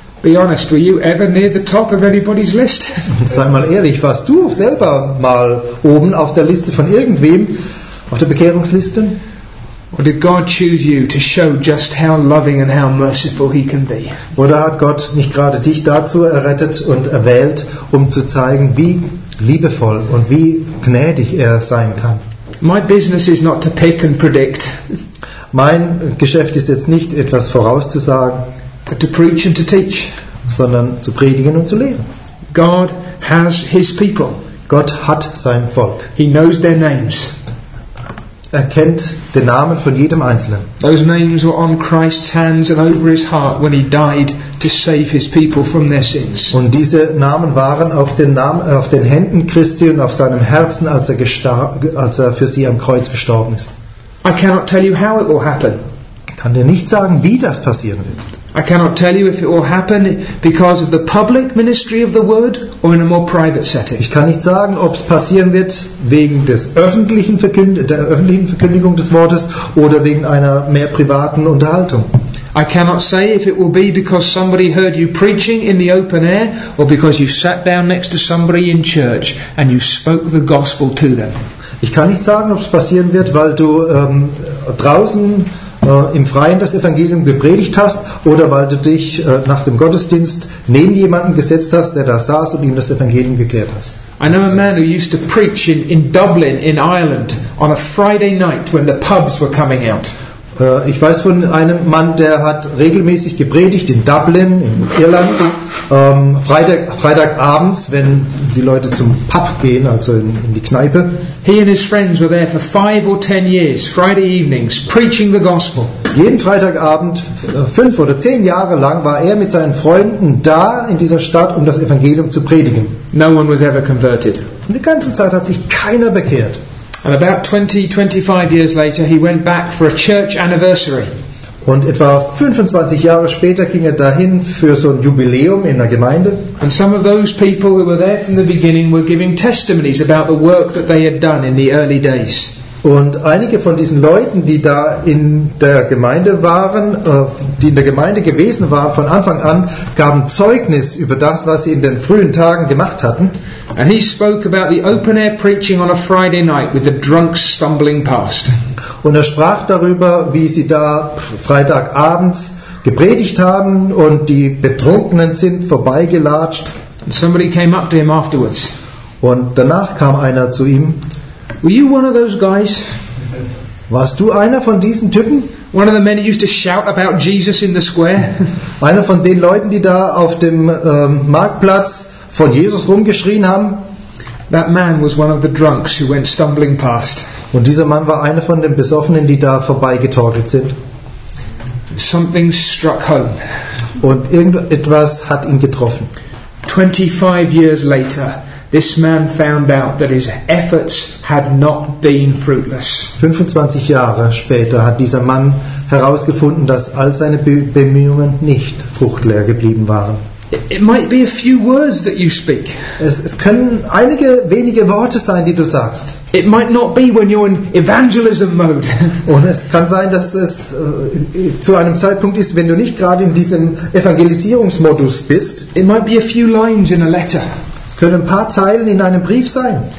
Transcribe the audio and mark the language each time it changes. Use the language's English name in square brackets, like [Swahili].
[English] Be honest, were you ever near the top of anybody's list? [German] Sei mal ehrlich, warst du selber mal oben auf der Liste von irgendwem, auf der Bekehrungsliste? [English] Or did God choose you to show just how loving and how merciful he can be? [German] Oder hat Gott nicht gerade dich dazu errettet und erwählt, um zu zeigen, wie liebevoll und wie gnädig er sein kann? [English] My business is not to pick and predict. [German] Mein Geschäft ist jetzt nicht, etwas vorauszusagen, [English] but to preach and to teach, [German] sondern zu predigen und zu lehren. [English] God has his people. [German] Gott hat sein Volk. [English] He knows their names. [German] Er kennt den Namen von jedem Einzelnen. [English] Those names were on Christ's hands and over his heart when he died to save his people from their sins. [German] Und diese Namen waren auf den Händen Christi und auf seinem Herzen, als er für sie am Kreuz gestorben ist. [English] I cannot tell you how it will happen. [German] Ich kann dir nicht sagen, wie das passieren wird. [English] I cannot tell you if it will happen because of the public ministry of the word or in a more private setting. [German] Ich kann nicht sagen, ob es passieren wird wegen des öffentlichen öffentlichen Verkündigung des Wortes oder wegen einer mehr privaten Unterhaltung. [English] I cannot say if it will be because somebody heard you preaching in the open air or because you sat down next to somebody in church and you spoke the gospel to them. [German] Ich kann nicht sagen, ob es passieren wird, weil du draußen im Freien das Evangelium gepredigt hast oder weil du dich nach dem Gottesdienst neben jemanden gesetzt hast, der da saß und ihm das Evangelium geklärt hast. [English] I know a man who used to preach in Dublin in Ireland on a Friday night when the pubs were coming out. [German] Ich weiß von einem Mann, der hat regelmäßig gepredigt in Dublin in Irland Freitagabends, wenn die Leute zum Pub gehen, also in die Kneipe. [English] He and his friends were there for 5 or 10 years, Friday evenings, preaching the gospel. [German] Jeden Freitagabend, 5 oder 10 Jahre lang, war er mit seinen Freunden da in dieser Stadt, um das Evangelium zu predigen. [English] No one was ever converted. [German] Und die ganze Zeit hat sich keiner bekehrt. [English] And about 20-25 years later, he went back for a church anniversary. [German] Und etwa 25 Jahre später ging er dahin für so ein Jubiläum in der Gemeinde. [English] And some of those people who were there from the beginning were giving testimonies about the work that they had done in the early days. [German] Und einige von diesen Leuten, die da in der Gemeinde waren, die in der Gemeinde gewesen waren von Anfang an, gaben Zeugnis über das, was sie in den frühen Tagen gemacht hatten. [English] And he spoke about the open air preaching on a Friday night with the drunks stumbling past. [German] Und er sprach darüber, wie sie da Freitagabends gepredigt haben und die Betrunkenen sind vorbeigelatscht. [English] And somebody came up to him afterwards. [German] Und danach kam einer zu ihm. [English] Were you one of those guys? [German] Warst du einer von diesen Typen? [English] One of the men who used to shout about Jesus in the square? [German] Einer von den Leuten, die da auf dem Marktplatz von Jesus rumgeschrien haben? [English] That man was one of the drunks who went stumbling past. [German] Und dieser Mann war einer von den Besoffenen, die da vorbeigetorkelt sind. [English] Something struck home. [German] Und irgendetwas hat ihn getroffen. [English] 25 years later, this man found out that his efforts had not been fruitless. [German] 25 Jahre später hat dieser Mann herausgefunden, dass all seine Bemühungen nicht fruchtleer geblieben waren. [English] It might be a few words that you speak. [German] Es können einige wenige Worte sein, die du sagst. [English] It might not be when you're in evangelism mode. [German] Und es kann sein, dass es zu einem Zeitpunkt ist, wenn du nicht gerade in diesem Evangelisierungsmodus bist. [English] It might be a few lines in a letter. [German] Es können ein paar Zeilen in einem Brief sein.